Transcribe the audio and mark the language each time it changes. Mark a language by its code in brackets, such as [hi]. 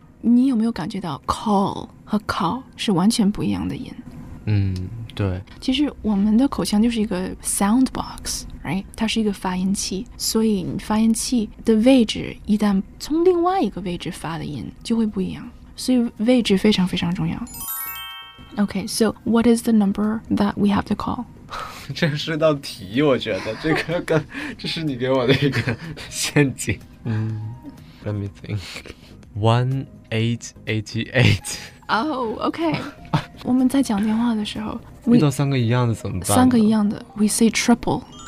[zh] 你有没有感觉到 call 和 call 是完全不一样的音？对，其实我们的口腔就是一个 [en] sound box, right? [zh] 它是一个发音器，所以你发音器的位置一旦从另外一个位置发的音就会不一样，所以位置非常非常重要。 [en] OK, so what is the number that we have to call? [zh] 这是道题，我觉得这个跟这是你给我的一个陷阱。 [en] Let me think. 1888. [zh] Oh, OK. 我们在讲电话的时候遇到三个一样的怎么办？三个一样的 [en] we say triple.